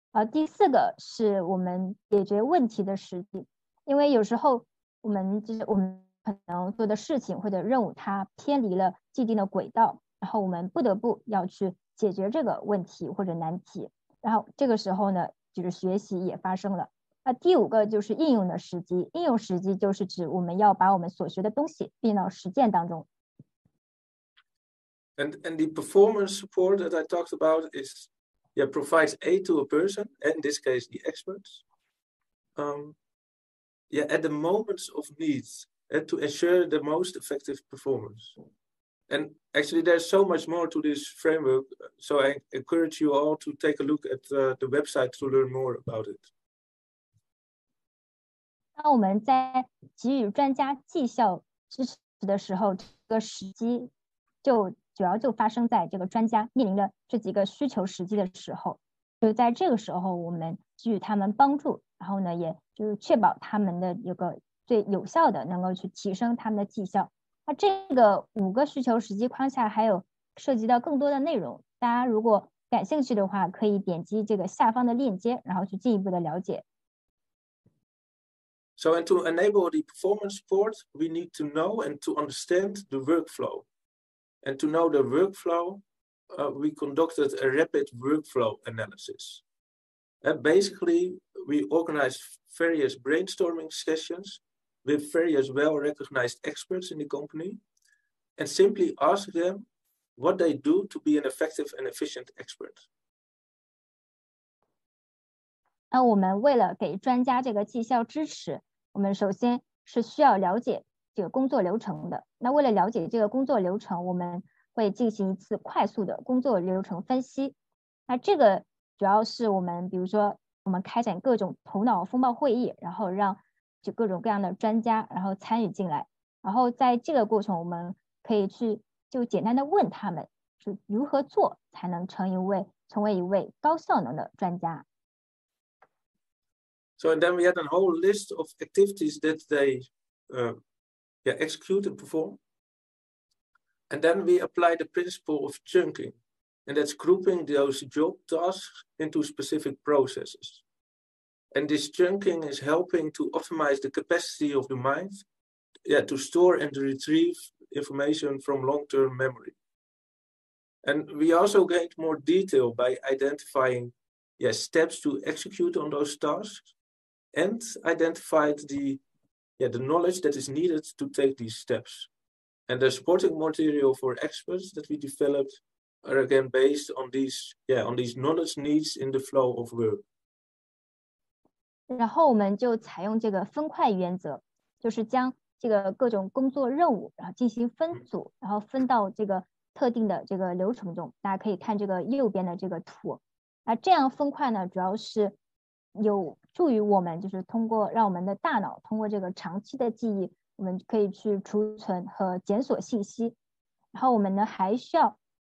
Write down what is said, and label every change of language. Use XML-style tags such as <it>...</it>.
<zh>第四个是我们解决问题的时机，因为有时候我们就是我们可能做的事情或者任务它偏离了既定的轨道，然后我们不得不要去解决这个问题或者难题，然后这个时候呢就是学习也发生了。第五个就是应用的时机，应用时机就是指我们要把我们所学的东西变到实践当中。</zh> <en>And the performance support that I talked about is, provides aid to a person, in this case, the experts. At the moments of needs, to ensure the most effective performance. And actually, there's so much more to this framework, so I encourage you all to take a look at the website to learn more about it.</en> <zh>当我们在给予专家绩效支持的时候，这个时机就主要就发生在这个专家面临的这几个需求时机的时候，就在这个时候我们给予他们帮助，然后呢也就是确保他们的一个最有效的能够去提升他们的绩效。那这个五个需求时机框架还有涉及到更多的内容，大家如果感兴趣的话可以点击这个下方的链接然后去进一步的了解。</zh> <en>So, and to enable the performance support, we need to know and to understand the workflow. And to know the workflow, we conducted a rapid workflow analysis. And basically, we organized various brainstorming sessions with various well-recognized experts in the company and simply asked them what they do to be an effective and efficient expert.</en> <zh>那我们为了给专家这个绩效支持，我们首先是需要了解这个工作流程的。那为了了解这个工作流程，我们会进行一次快速的工作流程分析。那这个主要是我们比如说我们开展各种头脑风暴会议，然后让就各种各样的专家然后参与进来，然后在这个过程我们可以去就简单的问他们是如何做才能成为一位高效能的专家。</zh> <en>So, and then we had a whole list of activities that they execute and perform. And then we apply the principle of chunking, and that's grouping those job tasks into specific processes. And this chunking is helping to optimize the capacity of the mind to store and retrieve information from long-term memory. And we also gained more detail by identifying steps to execute on those tasks. And identified the knowledge that is needed to take these steps. And the supporting material for experts that we developed are again based on these knowledge needs in the flow of work.</en> <zh>然后我们就采用这个分块原则，就是将这个各种工作任务然后进行分组，然后分到这个特定的这个流程中。大家可以看这个右边的这个图。那这样分块呢，主要是有助于我们就是通过让我们的大脑通过这个长期的记忆我们可以去储存和检索信息，然后我们呢还需要</zh>